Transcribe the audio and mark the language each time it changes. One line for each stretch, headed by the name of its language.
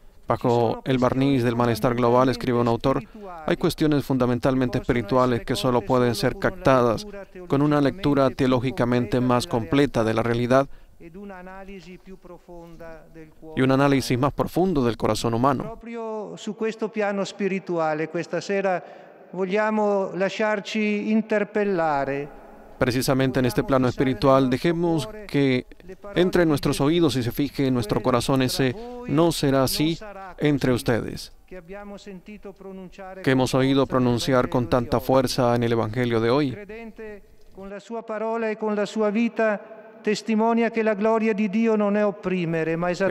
Spanish: Bajo el barniz del malestar global, escribe un autor, hay cuestiones fundamentalmente espirituales que solo pueden ser captadas con una lectura teológicamente más completa de la realidad y un análisis más profundo del corazón humano.
Italian: Proprio su questo piano spirituale, questa sera vogliamo lasciarci interpellare.
Spanish: Precisamente en este plano espiritual, dejemos que entre en nuestros oídos y se fije en nuestro corazón ese «no será así entre ustedes», que hemos oído pronunciar con tanta fuerza en el Evangelio de hoy. Con la su palabra y con la su vida, testimonia que la gloria de Dios no es oprimir, sino...